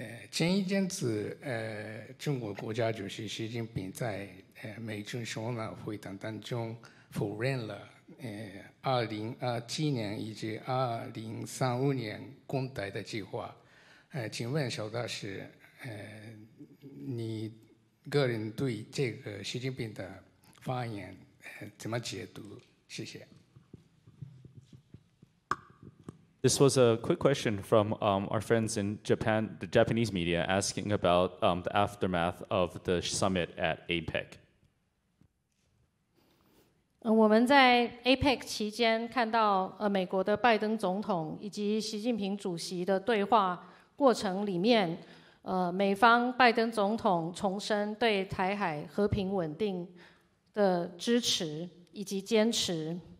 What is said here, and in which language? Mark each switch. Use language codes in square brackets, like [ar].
[zh] 前一阵子，中国国家主席习近平在美中首脑会谈当中否认了2027年以及2035年攻台的计划。请问邵大使，你个人对这个习近平的发言怎么解读？谢谢。 [en] This was a quick question from our friends in Japan, the Japanese media, asking about the aftermath of the summit at APEC. [zh] 我们在 APEC 期间看到美国的拜登总统以及习近平主席的对话过程里面，美方拜登总统重申对台海和平稳定的支持以及坚持。